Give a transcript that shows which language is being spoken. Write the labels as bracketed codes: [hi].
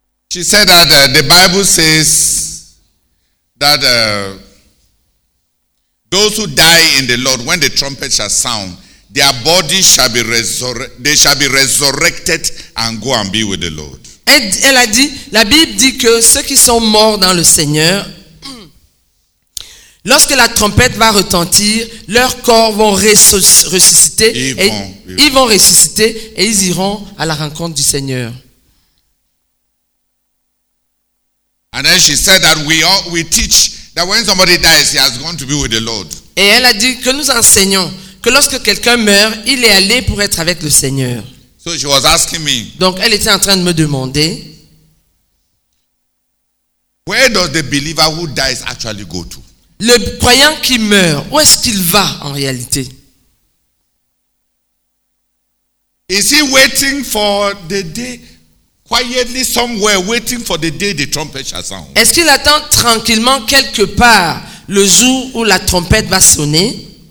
[en] She said that the Bible says that those who die in the Lord, when the trumpet shall sound, their bodies shall be they shall be resurrected and go and be with the Lord. [fr] Elle a dit, la Bible dit que ceux qui sont morts dans le Seigneur, lorsque la trompette va retentir, leurs corps vont ressusciter. Ils vont ressusciter et ils iront à la rencontre du Seigneur. [en] And then she said that we teach that when somebody dies, he has gone to be with the Lord. [fr] Et elle a dit que nous enseignons que lorsque quelqu'un meurt, il est allé pour être avec le Seigneur. [en] So she was asking me. [fr] Donc elle était en train de me demander. [en] Where does the believer who dies actually go to? [fr] Le croyant qui meurt, où est-ce qu'il va en réalité? [en] Is he waiting for the day? Quietly somewhere waiting for the day the trumpet shall sound. [fr] Est-ce qu'il attend tranquillement quelque part le jour où la trompette va sonner?